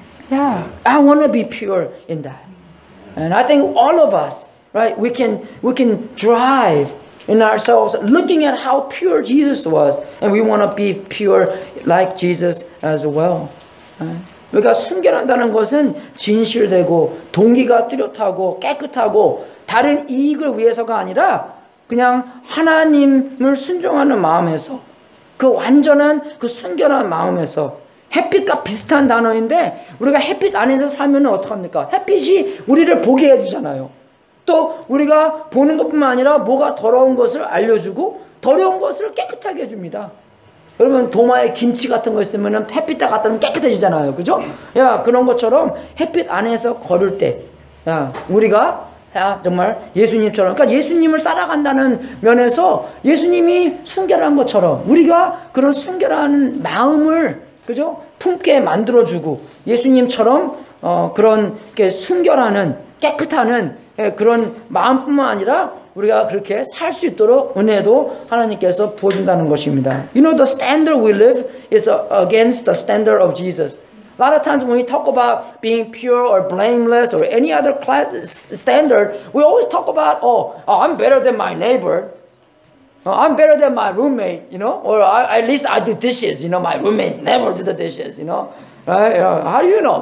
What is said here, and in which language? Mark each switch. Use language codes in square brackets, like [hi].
[en] Yeah, I want to be pure in that. And I think all of us, right, we can drive in ourselves looking at how pure Jesus was, and we want to be pure like Jesus as well. [ko] 우리가 순결한다는 것은 진실되고 동기가 뚜렷하고 깨끗하고 다른 이익을 위해서가 아니라 그냥 하나님을 순종하는 마음에서 그 완전한 그 순결한 마음에서. 햇빛과 비슷한 단어인데 우리가 햇빛 안에서 살면 어떡합니까? 햇빛이 우리를 보게 해주잖아요. 또 우리가 보는 것뿐만 아니라 뭐가 더러운 것을 알려주고 더러운 것을 깨끗하게 해줍니다. 여러분 도마에 김치 같은 거 있으면 햇빛 다 갖다 놓으면 깨끗해지잖아요. 그죠? 야, 그런 것처럼 햇빛 안에서 걸을 때 야, 우리가 야, 정말 예수님처럼 그러니까 예수님을 따라간다는 면에서 예수님이 순결한 것처럼 우리가 그런 순결한 마음을 그죠? 품게 만들어주고 예수님처럼 그런 게 순결하는 깨끗하는 그런 마음뿐만 아니라 우리가 그렇게 살 수 있도록 은혜도 하나님께서 부어준다는 것입니다. [en] You know the standard we live is against the standard of Jesus. A lot of times when we talk about being pure or blameless or any other class standard, we always talk about, oh, I'm better than my neighbor. I'm better than my roommate, you know, or at least I do dishes, you know, my roommate never do the dishes, you know, right? You know, how do you know?